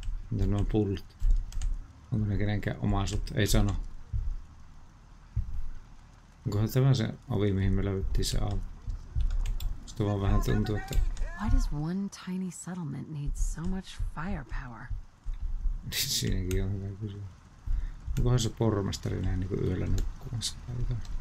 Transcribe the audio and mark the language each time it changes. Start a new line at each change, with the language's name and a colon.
Finnish: Mitä nuo pullot? Onko ne kenenkään omaisuutta? Ei sano. Onkohan tämä se ovi, mihin me löydettiin se alku? Sitä vaan vähän tuntuu, että...
English: Why does one tiny settlement need so much firepower?
Finnish: Siinäkin on hyvä kysymys. Onkohan se pormestari näin niin kuin yöllä nukkumassa tai jotain?